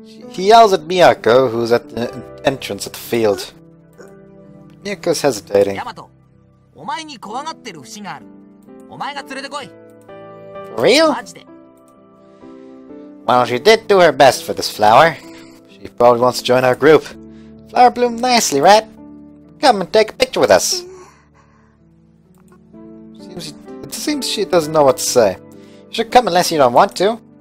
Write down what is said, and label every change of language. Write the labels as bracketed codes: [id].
[en] He yells at Miyako, who's at the entrance of the field. Miyako's hesitating. [ja] ヤマト、お前に怖がってる節がある。 [en] For real? Well, she did do her best for this flower. She probably wants to join our group. Flower bloomed nicely, right? Come and take a picture with us. It seems she doesn't know what to say. You should come unless you don't want to.